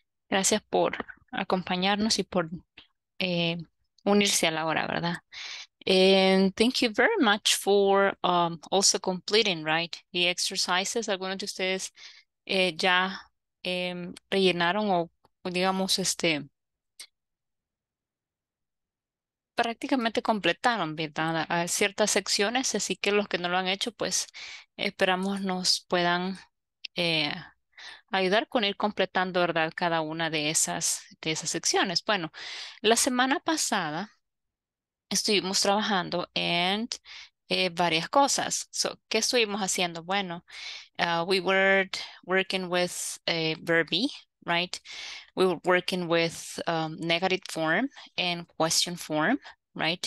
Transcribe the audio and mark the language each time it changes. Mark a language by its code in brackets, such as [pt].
[es] Gracias por acompañarnos y por unirse a la hora, ¿verdad? [en] And thank you very much for also completing, right, the exercises. [es] Algunos de ustedes ya rellenaron o digamos este prácticamente completaron, ¿verdad? A ciertas secciones, así que los que no lo han hecho, pues esperamos nos puedan ayudar con ir completando, ¿verdad? Cada una de esas secciones. Bueno, la semana pasada estuvimos trabajando en varias cosas. So, ¿qué estuvimos haciendo? [en] Bueno, we were working with a verb be. Right, we were working with negative form and question form, right?